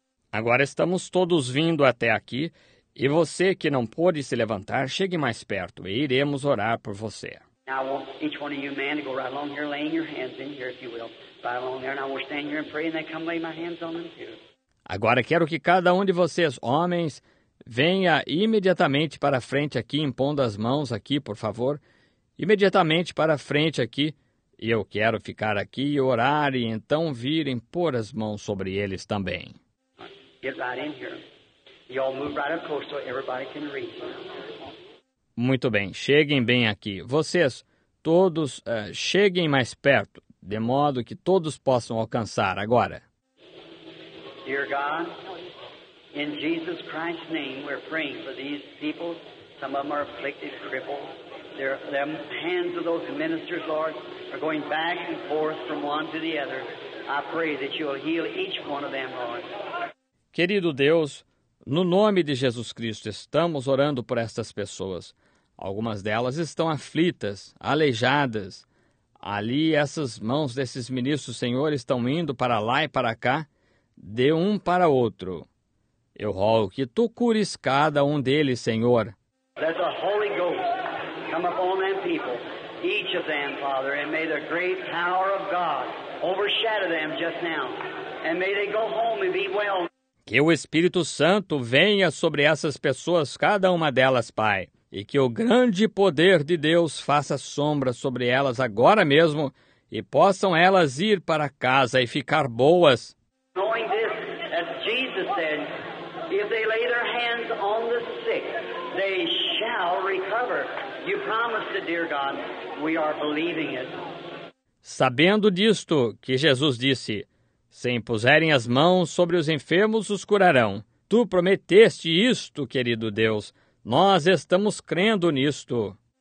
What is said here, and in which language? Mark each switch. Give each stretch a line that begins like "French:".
Portuguese: Agora estamos todos vindo até aqui, e você que não pôde se levantar, chegue mais perto, e iremos orar por você.
English: Now I want each one of you men to go right along here, laying your hands in here, if you will. Right along there, and I will stand here and pray, and they come lay my hands on them too.
Portuguese: Agora quero que cada um de vocês, homens, venha imediatamente para frente aqui, impondo as mãos aqui, por favor. Imediatamente para frente aqui. E eu quero ficar aqui e orar, e então vir impor as mãos sobre eles também.
English: Get right in here. You all move right up close so everybody can reach.
Portuguese: Muito bem, cheguem bem aqui. Vocês, todos, cheguem mais perto, de modo que todos possam alcançar agora.
English: Dear God, in Jesus Christ's name, we're praying for these people. Some of them are afflicted, crippled. The hands of those ministers, Lord, are going back and forth from one to the other. I pray that you will heal each one of them, Lord.
Portuguese: Querido Deus, no nome de Jesus Cristo, estamos orando por estas pessoas. Algumas delas estão aflitas, aleijadas. Ali, essas mãos desses ministros, Senhor, estão indo para lá e para cá, de um para outro. Eu rogo que Tu cures cada um deles, Senhor.
English: Let the Holy Ghost come upon them people, each of them, Father, and may the great power of God overshadow them just now, and may they go home and be well.
Portuguese: Que o Espírito Santo venha sobre essas pessoas, cada uma delas, Pai. E que o grande poder de Deus faça sombra sobre elas agora mesmo e possam elas ir para casa e ficar boas.
English: Knowing this, as Jesus said, if they lay their hands on the sick, they shall recover. You promised it, dear God. We are believing it.
Portuguese: Sabendo disto, que Jesus disse, se impuserem as mãos sobre os enfermos, os curarão. Tu prometeste isto, querido Deus. Nós estamos crendo nisto.